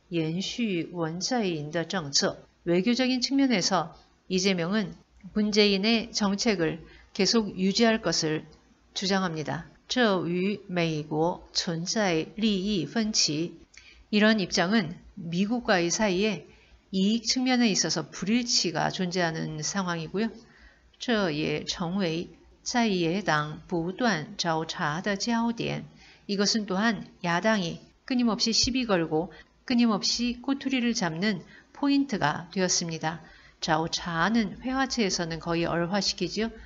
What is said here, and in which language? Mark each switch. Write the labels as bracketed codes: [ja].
[zh] 而在外交方面，李在明主张延续文在寅的政策. [ko] 외교적인 측면에서 이재명은 문재인의 정책을 계속 유지할 것을 주장합니다. [zh] 这与美国存在利益分歧. [ko] 이런 입장은 미국과의 사이에 이익 측면에 있어서 불일치가 존재하는 상황이고요. [zh] 这也成为在野党不断找茬的焦点. [ko] 이것은 또한 야당이 끊임없이 시비 걸고 끊임없이 꼬투리를 잡는 포인트가 되었습니다. [zh] 找茬 [ko] 는 회화체에서는 거의 얼화시키죠.